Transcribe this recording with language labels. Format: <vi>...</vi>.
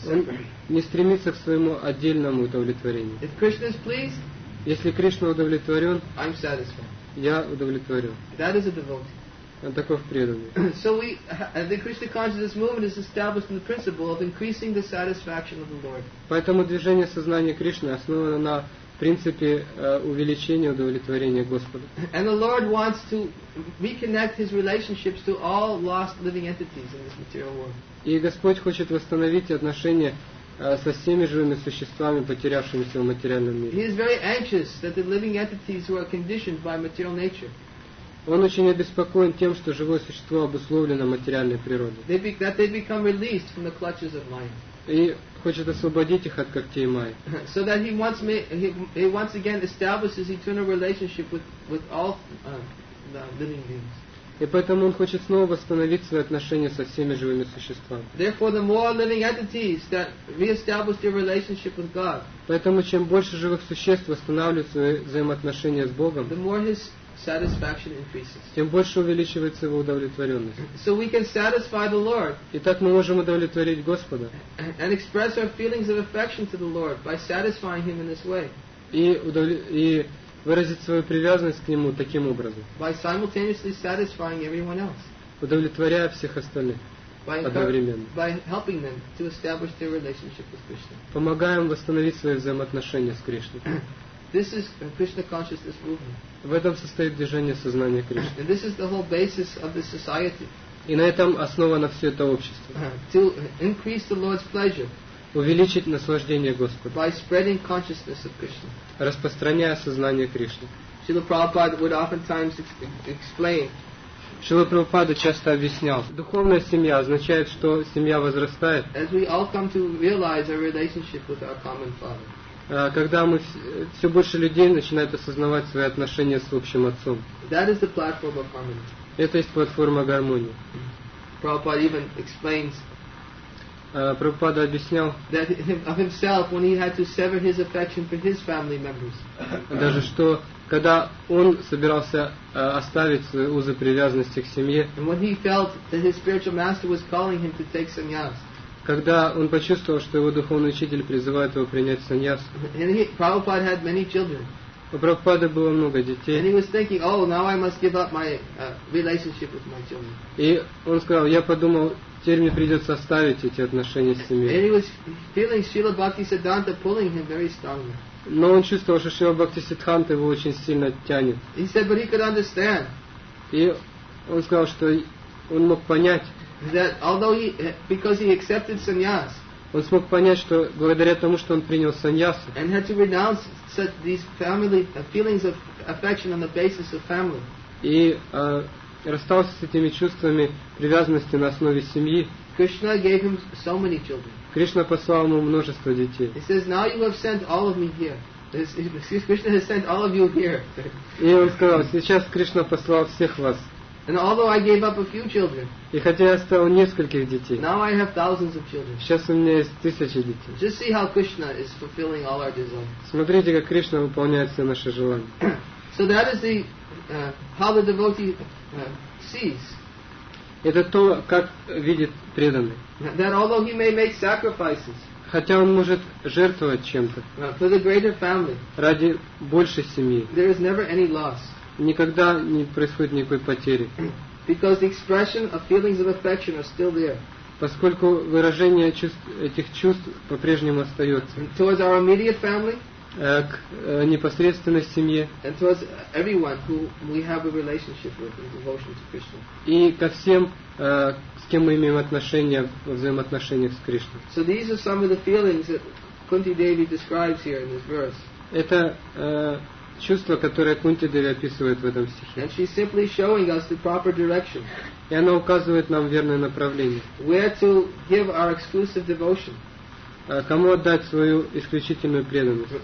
<ru>Он не стремится к своему отдельному удовлетворению.</ru> <en>If Krishna is pleased,</en> <ru>если Кришна удовлетворен,</ru> <en>I'm satisfied.</en> <ru>Я удовлетворен.</ru> <en>That is a devotee.</en> <ru>Он таков преданный.</ru> <en>So the Krishna consciousness movement is established in the principle of increasing the satisfaction of the Lord.</en> <ru>Поэтому движение сознания Кришны основано на в принципе, увеличение удовлетворения Господа.</ru> <en>And the Lord wants to reconnect his relationships to all lost living entities in this material world.</en> <ru>И Господь хочет восстановить отношения со всеми живыми существами, потерявшимися в материальном мире.</ru> <en>He is very anxious that the living entities who are conditioned by material nature.</en> <ru>Он очень обеспокоен тем, что живое существо обусловлено материальной природой.</ru> <en>That they become released from the clutches of mind.</en> <ru>И хочет освободить их от когтей Майи.</ru> <en>So that he once again establishes eternal relationship with all the living beings.</en> <ru>И поэтому он хочет снова восстановить свои отношения со всеми живыми существами.</ru> <en>Therefore, the more living entities that reestablish their relationship with God.</en> <ru>Поэтому чем больше живых существ восстанавливают свои взаимоотношения с Богом,</ru> <en>the more his satisfaction increases.</en> <ru>Тем больше увеличивается его удовлетворенность.</ru> <en>So we can satisfy the Lord.</en> <ru>И так мы можем удовлетворить Господа.</ru> <en>And express our feelings of affection to the Lord by satisfying Him in this way.</en> <ru>И выразить свою привязанность к Нему таким образом.</ru> <en>By simultaneously satisfying everyone else.</en> <ru>Удовлетворяя всех остальных одновременно.</ru> <en>By helping them to establish their relationship with Krishna.</en> <ru>Помогаем восстановить свои взаимоотношения с Кришной.</ru> <en>This is Krishna consciousness movement.</en> <ru>В этом состоит движение сознания Кришны.</ru> <en>And this is the whole basis of the society.</en> <ru>И на этом основано все это общество.</ru> <en>To increase the Lord's pleasure.</en> <ru>Увеличить наслаждение Господа.</ru> <en>By spreading consciousness of Krishna.</en> <ru>Распространяя сознание Кришны.</ru> <en>Srila Prabhupada would oftentimes explain.</en> <ru>Шрила Прабхупада часто объяснял. Духовная семья означает, что семья возрастает.</ru> <en>As we all come to realize our relationship with our common father.</en> <ru>Когда мы все больше людей начинают осознавать свои отношения с общим отцом.</ru> <en>That is the platform of harmony.</en> <ru>Это есть платформа гармонии.</ru> <en>Prabhupada even explains.</en> <ru>Прабхупада объяснял.</ru> <en>That of himself when he had to sever his affection for his family members.</en> <ru>Даже что, когда он собирался оставить свои узы привязанности к семье.</ru> <en>And when he felt that his spiritual master was calling him to take sannyas.</en> <ru>Когда он почувствовал, что его духовный учитель призывает его принять саньяс.</ru> <en>Prabhupada had many children.</en> <ru>У Прабхупады было много детей.</ru> <en>And he was thinking, oh, now I must give up my relationship with my children.</en> <ru>И он сказал, я подумал, теперь мне придется оставить эти отношения с семьей.</ru> <en>And he was feeling Srila Bhakti Siddhanta pulling him very strongly.</en> <ru>Но он чувствовал, что Шрила Бхакти Сиддханта его очень сильно тянет.</ru> <en>He said, but he could understand.</en> <ru>И он сказал, что он мог понять.</ru> <en>That although he, because he accepted sannyas,</en> <ru>Он смог понять, что благодаря тому, что он принял саньясу,</ru> <en>and had to renounce such these family feelings of affection on the basis of family.</en> <ru>И расстался с этими чувствами привязанности на основе семьи.</ru> <en>Krishna gave him so many children.</en> <ru>Кришна послал ему множество детей.</ru> <en>He says, now you have sent all of me here. Excuse, Krishna has sent all of you here.</en> <ru>И он сказал, сейчас Кришна послал всех вас.</ru> <en>And although I gave up a few children,</en> <ru>и хотя я оставил нескольких детей,</ru> <en>now I have thousands of children.</en> <ru>Сейчас у меня есть тысячи детей.</ru> <en>Just see how Krishna is fulfilling all our desires.</en> <ru>Смотрите, как Кришна выполняет все наши желания.</ru> <en>So that is the how the devotee sees.</en> <ru>Это то, как видит преданный.</ru> <en>That although he may make sacrifices,</en> <ru>хотя он может жертвовать чем-то,</ru> <en>for the greater family,</en> <ru>ради большей семьи,</ru> <en>there is never any loss.</en> <ru>Никогда не происходит никакой потери.</ru> <en>Because the expression of feelings of affection are still there.</en> <ru>Поскольку выражение чувств, этих чувств по-прежнему остается.</ru> <en>And towards our immediate family,</en> <ru>к непосредственной семье.</ru> <en>And towards everyone who we have a relationship with in devotion to Krishna.</en> <ru>И ко всем, с кем мы имеем отношения во взаимоотношениях с Кришной.</ru> <en>So these are some of the feelings that Kunti Devi describes here in this verse.</en> <ru>Это чувство, которое Кунти Деви описывает в этом стихе.</ru> <en>And she's simply showing us the proper direction.</en> <ru>И она указывает нам верное направление.</ru> <en>Where to give our exclusive devotion.</en> <ru>Кому отдать свою исключительную преданность.</ru>